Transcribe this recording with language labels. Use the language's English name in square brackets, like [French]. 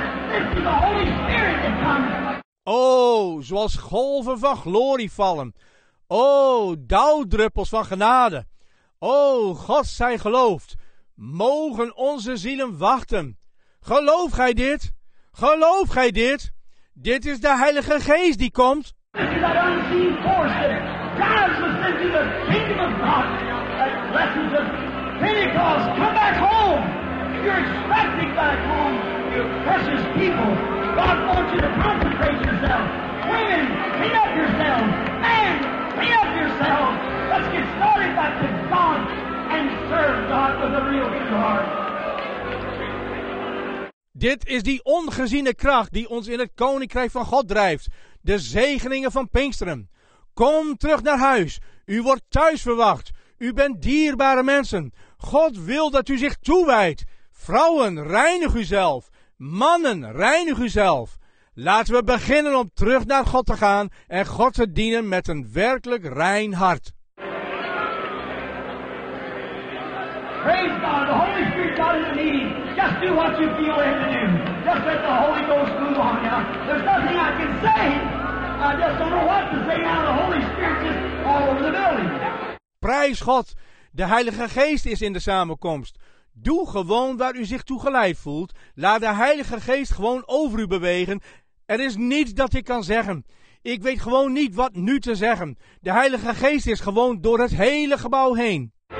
[English] This is the Holy Spirit that comes. [Dutch] Oh, zoals golven van glorie vallen. Oh, dauwdruppels van genade. Oh, God zij geloofd. Mogen onze zielen wachten. Geloof gij dit? Geloof gij dit? Dit is de Heilige Geest die komt. [English] This is that unseen force that drives us into the kingdom of God. That blesses us. Pentecost, come back home. You're expecting back home, you precious people. God wants you to concentrate yourself. Women, clean up yourself. Men, clean up yourself. Let's get started back to God and serve God with a real good heart. [Dutch] Dit is die ongeziene kracht die ons in het Koninkrijk van God drijft. De zegeningen van Pinksteren. Kom terug naar huis. U wordt thuis verwacht. U bent dierbare mensen. God wil dat u zich toewijdt. Vrouwen, reinig uzelf. Mannen, reinig uzelf. Laten we beginnen om terug naar God te gaan en God te dienen met een werkelijk rein hart. [English] Praise God, the Holy Spirit God is in the meeting. Just do what you feel led to do. Just let the Holy Ghost move on you. There's nothing I can say. I just don't know what to say now. The Holy Spirit is all over the building. [Dutch] Prijs God, de Heilige Geest is in de samenkomst. Doe gewoon waar u zich toe geleid voelt. Laat de Heilige Geest gewoon over u bewegen. Er is niets dat ik kan zeggen. Ik weet gewoon niet wat nu te zeggen. De Heilige Geest is gewoon door het hele gebouw heen.